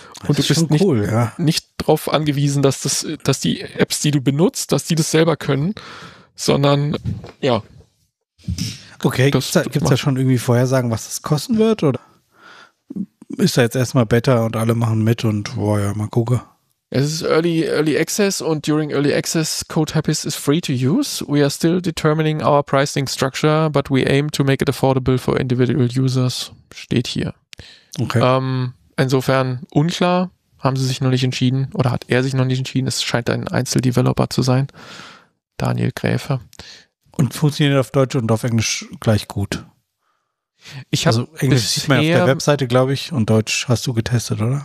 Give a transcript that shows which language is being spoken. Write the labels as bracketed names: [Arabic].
[German] Und das du bist nicht, cool, ja, nicht drauf angewiesen, dass die Apps, die du benutzt, dass die das selber können, sondern, ja. Okay, gibt's da schon irgendwie Vorhersagen, was das kosten wird, oder ist da jetzt erstmal Beta und alle machen mit und, boah, ja, mal gucken. Es ist [English] early Access und during Early Access, CodeHappiest is free to use. We are still determining our pricing structure, but we aim to make it affordable for individual users. [German] Steht hier. Okay. Insofern unklar, haben sie sich noch nicht entschieden oder hat er sich noch nicht entschieden. Es scheint ein Einzeldeveloper zu sein. Daniel Gräfe. Und funktioniert auf Deutsch und auf Englisch gleich gut? Also Englisch sieht man auf der Webseite, glaube ich, und Deutsch hast du getestet, oder?